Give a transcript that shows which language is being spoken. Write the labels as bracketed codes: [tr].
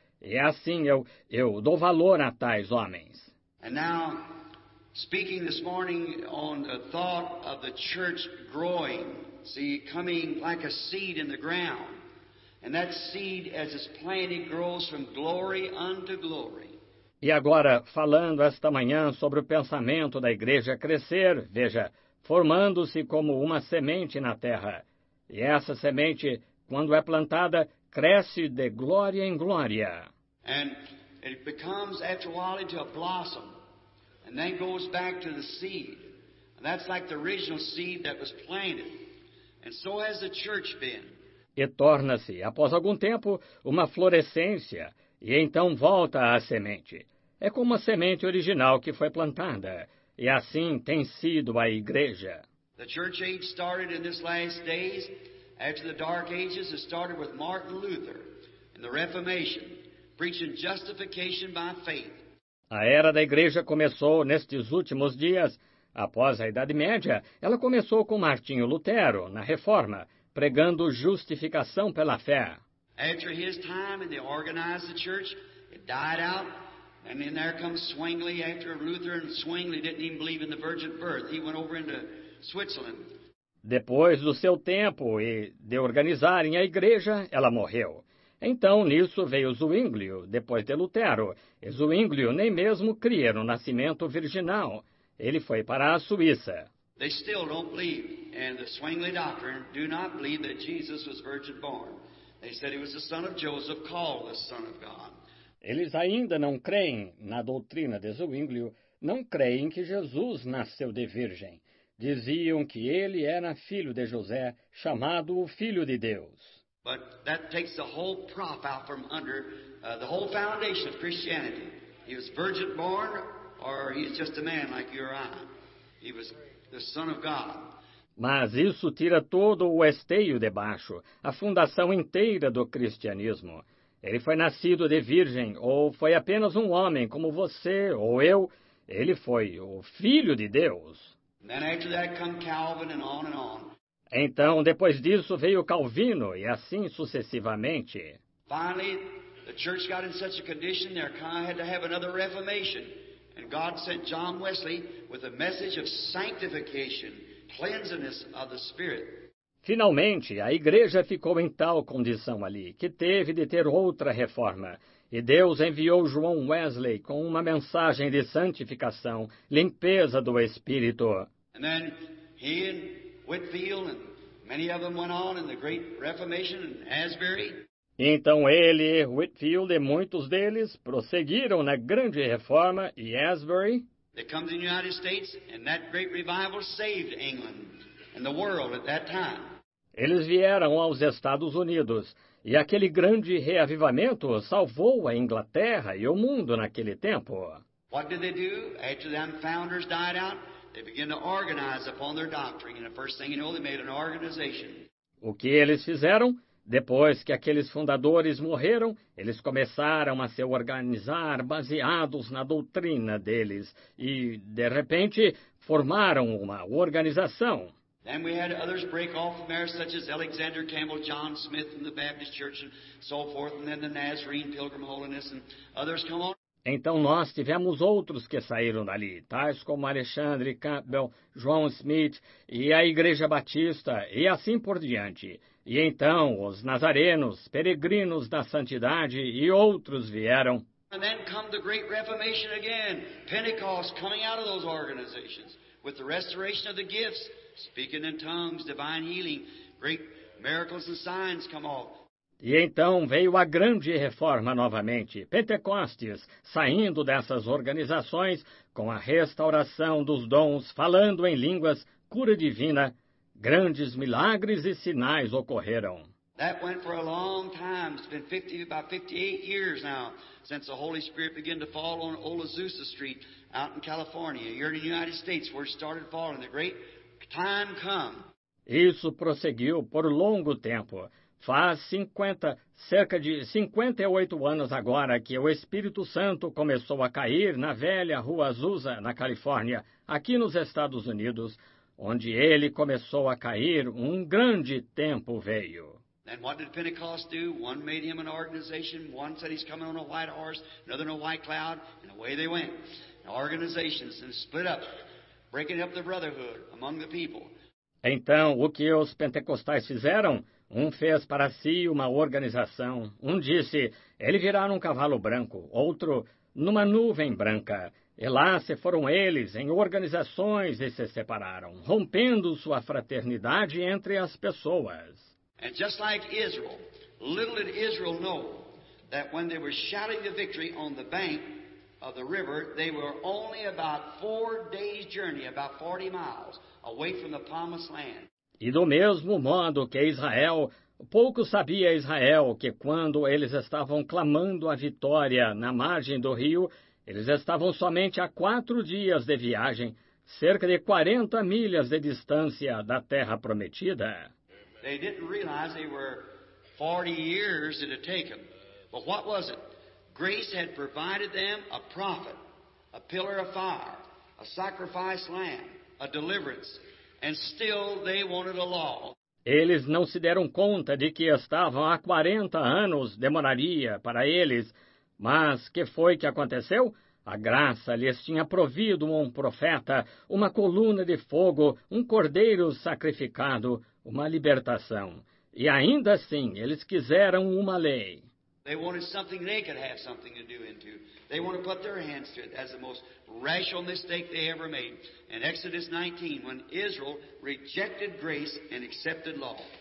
[pt] E assim eu dou valor a tais homens. [en] And now, speaking this morning on the thought of the church growing, see, coming like a seed in the ground. And that seed, as it's planted, grows from glory unto glory. [pt] E agora, falando esta manhã sobre o pensamento da igreja crescer, veja, formando-se como uma semente na terra. E essa semente, quando é plantada, cresce de glória em glória. [en] And it becomes after a while into a blossom, and then goes back to the seed. And that's like the original seed that was planted. And so has the church been. [pt] E torna-se, após algum tempo, uma florescência, e então volta à semente. É como a semente original que foi plantada, e assim tem sido a igreja. [en] The church age started in this last days. After the dark ages, it started with Martin Luther and the Reformation, preaching justification by faith. [pt] A era da igreja começou nestes últimos dias. Após a Idade Média, ela começou com Martinho Lutero, na Reforma, pregando justificação pela fé. [en] After his time and they organized the church, it died out. And then there comes Zwingli after Luther, and Zwingli didn't even believe in the virgin birth. He went over into Switzerland. [pt] Depois do seu tempo e de organizarem a igreja, ela morreu. Então, nisso veio Zwingli, depois de Lutero. E Zwingli nem mesmo cria no nascimento virginal. Ele foi para a Suíça. [en] They still don't believe in the Zwingli doctrine, do not believe that Jesus was virgin born. They said he was the son of Joseph, called the son of God. [pt] Eles ainda não creem na doutrina de Zwingli, não creem que Jesus nasceu de virgem. Diziam que ele era filho de José, chamado o Filho de Deus. [en] But that takes the whole prop out from under the whole foundation of Christianity. He was virgin born, or he's just a man like you or I. He was the son of God. [pt] Mas isso tira todo o esteio de baixo, a fundação inteira do cristianismo. Ele foi nascido de virgem, ou foi apenas um homem, como você ou eu. Ele foi o Filho de Deus. [en] Then after that come Calvin and on and on. [pt] Então, depois disso, veio Calvino, e assim sucessivamente. [en] Finally, the church got in such a condition there, kind of had to have another reformation. And God sent John Wesley with a message of sanctification, cleansing of the Spirit. [pt] Finalmente, a igreja ficou em tal condição ali, que teve de ter outra reforma. E Deus enviou João Wesley com uma mensagem de santificação, limpeza do Espírito. [en] And then he and Whitfield and many of them went on in the Great Reformation and Asbury. [pt] Então ele, Whitfield e muitos deles prosseguiram na Grande Reforma e Asbury. [en] They come to the United States and that great revival saved England and the world at that time. [pt] Eles vieram aos Estados Unidos e aquele grande reavivamento salvou a Inglaterra e o mundo naquele tempo. [en] What did they do? After the founders died out, they began to organize upon their doctrine. And the first thing you know, they made an organization. [pt] O que eles fizeram? Depois que aqueles fundadores morreram, eles começaram a se organizar baseados na doutrina deles e, de repente, formaram uma organização. [en] Then we had others break off from there, such as Alexander Campbell, John Smith, and the Baptist Church, and so forth, and then the Nazarene Pilgrim Holiness, and others come on. [pt] Então nós tivemos outros que saíram dali, tais como Alexandre Campbell, John Smith, e a Igreja Batista, e assim por diante. E então os Nazarenos, Peregrinos da Santidade, e outros vieram. [en] And then come the Great Reformation again, Pentecost coming out of those organizations, with the restoration of the gifts. Speaking in tongues, divine healing, great miracles and signs come off. [pt] E então veio a grande reforma novamente, Pentecostes, saindo dessas organizações, com a restauração dos dons, falando em línguas, cura divina, grandes milagres e sinais ocorreram. [en] That went for a long time. It's been 50, about 58 years now since the Holy Spirit began to fall on Old Azusa Street out in California, here in the United States, where it started falling, the great time come. [pt] Isso prosseguiu por longo tempo. Faz 50, cerca de 58 anos agora que o Espírito Santo começou a cair na velha Rua Azusa, na Califórnia, aqui nos Estados Unidos, onde ele começou a cair, um grande tempo veio. [en] And what did Pentecost do? One made him an organization, one said he's coming on a white horse, another on a white cloud, and away they went. And organizations and split up. Breaking up the brotherhood among the people. [pt] Então, o que os pentecostais fizeram? Um fez para si uma organização. Um disse, ele virá num cavalo branco. Outro, numa nuvem branca. E lá se foram eles em organizações e se separaram, rompendo sua fraternidade entre as pessoas. [en] And just like Israel, little did Israel know that when they were shouting the victory on the bank of the river, they were only about 4 days' journey, about 40 miles, away from the promised land. [pt] E do mesmo modo que Israel, pouco sabia Israel que quando eles estavam clamando a vitória na margem do rio, eles estavam somente a 4 dias de viagem, cerca de 40 milhas de distância da terra prometida. [en] They didn't realize they were 40 years it had taken. But what was it? Grace had provided them a prophet, a pillar of fire, a sacrifice lamb, a deliverance. And still they wanted a law. [pt] Eles não se deram conta de que estavam há 40 anos demoraria para eles. Mas que foi que aconteceu? A graça lhes tinha provido um profeta, uma coluna de fogo, um cordeiro sacrificado, uma libertação. E ainda assim, eles quiseram uma lei. [en] They wanted something they could have something to do into. They wanted to put their hands to it. That's the most rational mistake they ever made. In Exodus 19, when Israel rejected grace and accepted law.